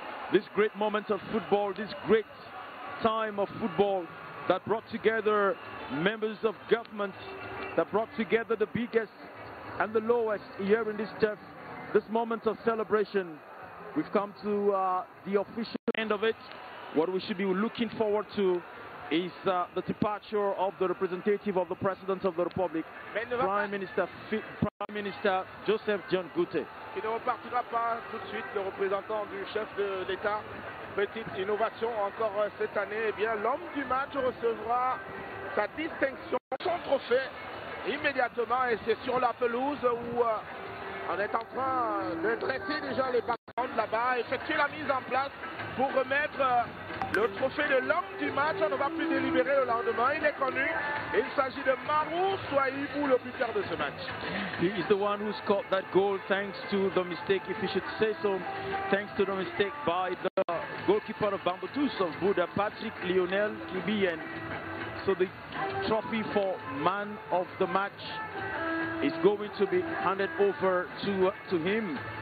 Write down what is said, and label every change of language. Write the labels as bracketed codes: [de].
[en] This great moment of football, this great time of football that brought together members of government, that brought together the biggest and the lowest here in this turf, this moment of celebration. We've come to the official end of it. What we should be looking forward to is the departure of the representative of the President of the Republic, Prime Minister Joseph John Goute. [fr] Il ne repartira pas tout de suite, le représentant du chef de l'État. Petite innovation encore cette année. Eh bien, l'homme du match recevra sa distinction, son trophée, immédiatement. Et c'est sur la pelouse où on est en train de dresser déjà les patrons. Là-bas, effectuer la mise en place pour remettre le trophée de l'homme du match. On ne va plus délibérer le lendemain. Il est connu. Il s'agit de Maru Sawuyaibu, le buteur de ce match. [en] He is the one who scored that goal thanks to the mistake, if you should say so, thanks to the mistake by the goalkeeper of Bamboutos of Bouda, Patrick Lionel Kibien. So the trophy for man of the match is going to be handed over to him.